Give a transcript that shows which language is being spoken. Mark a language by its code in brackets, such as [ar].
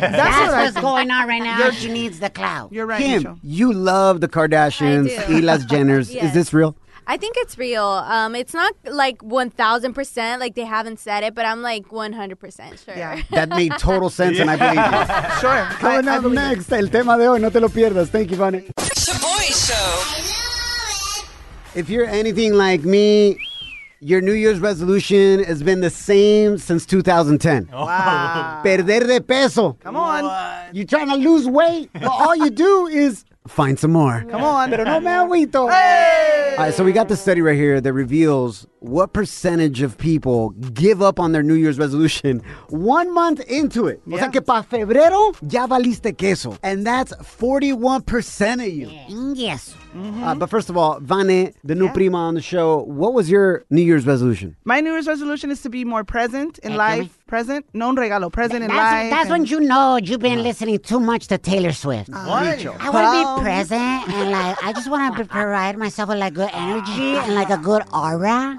[en] That's what's going on right now. She needs the clout. You're right, Kim. Mitchell. You love the Kardashians, Elas Jenners. Yes. Is this real? I think it's real. It's not like 1,000%, like they haven't said it, but I'm like 100% sure. Yeah, that made total sense, and I believe you. Sure. Coming up next, [es] el tema de hoy, no te lo pierdas. [en] Thank you, Vane. Shaboy Show. If you're anything like me, your New Year's resolution has been the same since 2010. Wow. [es] Perder de peso. [en] Come on. What? You're trying to lose weight, but all you do is find some more. Come on. [es] Pero no me agüito. [en] Hey! All right, so we got the study right here that reveals what percentage of people give up on their New Year's resolution 1 month into it? [es] Yeah. O sea que para febrero ya valiste queso. [en] And that's 41% of you. Yes. Mm-hmm. But first of all, Vane, the new prima on the show, what was your New Year's resolution? My New Year's resolution is to be more present in life. Present? [es] No un regalo. [en] Present that's in life. That's when you know you've been listening too much to Taylor Swift. What? I want to be present and like, I just want to provide myself with like good energy and like a good aura.